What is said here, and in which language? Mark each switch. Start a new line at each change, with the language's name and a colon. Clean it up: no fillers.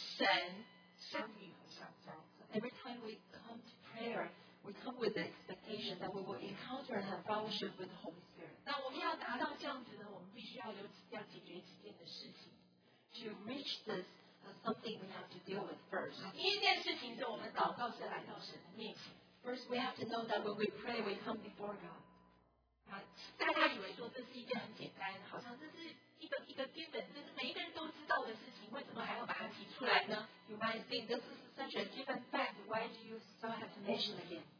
English: So every time we come to prayer, we come with the expectation that we will encounter and have fellowship with the Holy Spirit. To reach this,something we have to deal with first.
Chinese: 第一件事情是我们祷告是来到神的面前。
English: First, we have to know that when we pray, we come before God.
Chinese: 大家以为说这是一件很简单，好像这是一个基本，这是每一个人都知道的事情，为什么还要把它提出来呢？
English: You might think this is such a given fact. Why do you still have to mention again?